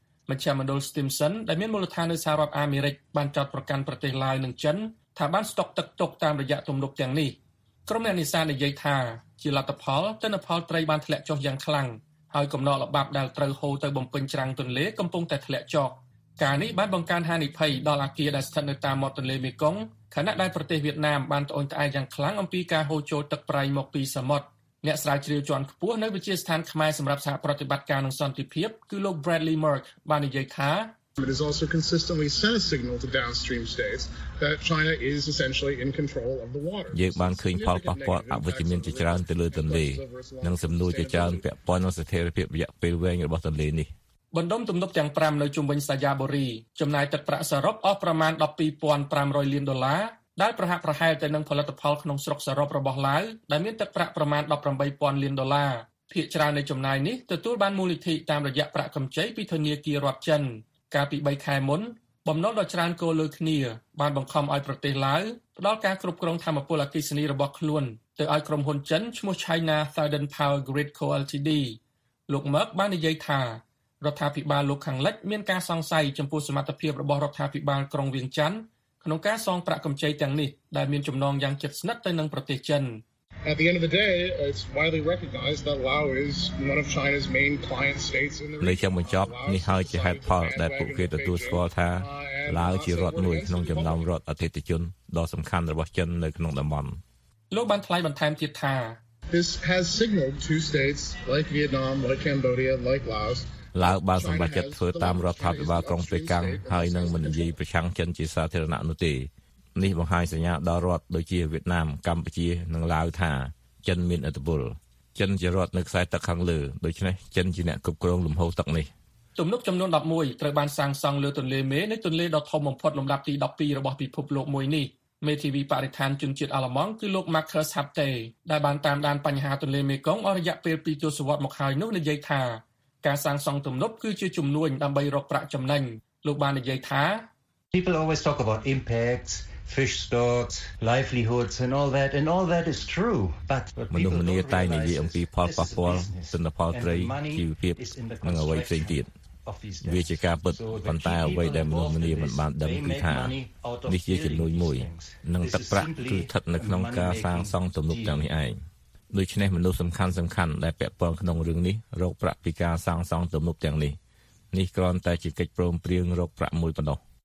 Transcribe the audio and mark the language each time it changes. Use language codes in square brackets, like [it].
[km] មជ្ឈមណ្ឌល Stimson ដែលមានមូលដ្ឋាននៅសហរដ្ឋអាមេរិកបានចាត់ប្រកាន់ប្រទេសឡាវនិងចិនថាបានស្តុកទឹកទុកតាមរយៈទំនប់ទាំងនេះក្រុមអ្នកនេសាទនិយាយថាជាលទ្ធផលទិន្នផលត្រីបានធ្លាក់ចុះយ៉ាងខ្លាំងហើយកំណត់លបាប់ដែលត្រូវហូរទៅបំពេញច្រាំងទន្លេកំពុងតែធ្លាក់ចុះ ការនេះបានបង្កើនហានិភ័យដល់អាគារដែលស្ថិតនៅតាមមាត់ទន្លេមេគង្គខណៈដែលប្រទេសវៀតណាមបានត្អូញត្អែរយ៉ាងខ្លាំងអំពីការហូរចូលទឹកប្រៃមកពីសមុទ្រអ្នកស្រាវជ្រាវជាន់ខ្ពស់នៅវិទ្យាស្ថានខ្មែរសម្រាប់សហប្រតិបត្តិការនឹងសន្តិភាពគឺលោក Bradley Merck បាននិយាយថា [en] It has also consistently sent a signal to downstream states that China is essentially in control of the water. [km] យើងបានឃើញផលប៉ះពាល់អវិជ្ជមានជាច្រើនទៅលើទន្លេនិងសំណួរជាច្រើនពាក់ព័ន្ធនឹងស្ថិរភាពរយៈពេលវែងរបស់ទន្លេនេះ ។បណ្ដុំទំនប់ទាំង5នៅជុំវិញសាយាបូរីចំណាយទឹកប្រាក់សរុបអស់ប្រមាណ 12,500 លានដុល្លារដែលប្រហាក់ប្រហែលទៅនឹងផលិតផលក្នុងស្រុកសរុបរបស់ឡាវដែលមានទឹកប្រាក់ប្រមាណ 18,000 លានដុល្លារ។ភាគច្រើននៃចំណាយនេះទទួលបានមូលនិធិតាមរយៈប្រាក់កម្ចីពីធនាគាររដ្ឋចិន។កាលពី3ខែមុនបំណុលដ៏ច្រើនគលលើគ្នាបានបង្ខំឲ្យប្រទេសឡាវផ្ដល់ការគ្រប់គ្រងធម្មពលអគ្គិសនីរបស់ខ្លួនទៅឲ្យក្រុមហ៊ុនចិនឈ្មោះ China Southern Power Grid Co Ltd លោកម៉ាកបាននិយាយថារដ្ឋាភិបាលលោកខាងលិចមានការសង្ស័យចំពោះសមត្ថភាពរបស់រដ្ឋាភិបាលក្រុងវៀងចិនក្នុងការសងប្រាក់កម្ចីទាំងនេះដែលមានចំណងយ៉ាងជិតស្និទ្ធទៅនឹងប្រទេសចិន [en] At the end of the day, it's widely recognized that Laos is one of China's main client states in the region. [km] នៅចំពោះចប់នេះហើយជាហេតុផលដែលពួកគេទទួលស្គាល់ថាឡាវជារដ្ឋមួយក្នុងចំណោមរដ្ឋអធិបតេយ្យដ៏សំខាន់របស់ចិននៅក្នុងតំបន់លោកបានថ្លែងបន្ថែមទៀតថា [en] This has signaled two states like Vietnam, like Cambodia, like Laos. [km] ឡាវបានសម្រេចចិត្តធ្វើតាមរដ្ឋាភិបាលក្រុងប៉េកាំងហើយនឹងមិននិយាយប្រឆាំងចិនជាសាធារណៈនោះទេនេះបង្ហាញសញ្ញាដល់រដ្ឋដូចជាវៀតណាមកម្ពុជានិងឡាវថាចិនមានឥទ្ធិពលចិនជារដ្ឋនៅខ្សែទឹកខាងលើដូច្នេះចិនជាអ្នកគ្រប់គ្រងលំហូរទឹកនេះ ទំនប់ចំនួន11ត្រូវបានសាងសង់លើទន្លេមេនៃទន្លេដ៏ធំបំផុតលំដាប់ទី12របស់ពិភពលោកមួយនេះមេធាវីបរិស្ថានជនជាតិអាល្លឺម៉ង់គឺលោក Marcus Hapte ដែលបានតាមដានបញ្ហាទន្លេមេគង្គអស់រយៈពេល2ទសវត្សរ៍មកហើយនោះនិយាយថាការសាងសង់ទំនប់គឺជាជំនួយដើម្បីរកប្រាក់ចំណេញលោកបាននិយាយថា [en] People always talk about impacts fish stocks livelihoods and all that is true but [km] មនុស្សម្នាតែនិយាយអំពីផលប៉ះពាល់សន្តិផលត្រីជីវភាពនិងអ្វីផ្សេងទៀតវាជាការពិតប៉ុន្តែអ្វីដែលមនុស្សម្នាមិនបានដឹងគឺថានេះជាចំណុចមួយនឹងទឹកប្រាក់គឺស្ថិតនៅក្នុងការសាងសង់ទំនប់ទាំងនេះឯងដូច្នេះមនុស្សសំខាន់ដែលពាក់ព័ន្ធក្នុងរឿងនេះរកប្រាក់ពីការសាងសង់ទំនប់ទាំងនេះនេះគ្រាន់តែជាកិច្ចព្រមព្រៀងរកប្រាក់មួយប៉ុណ្ណោះ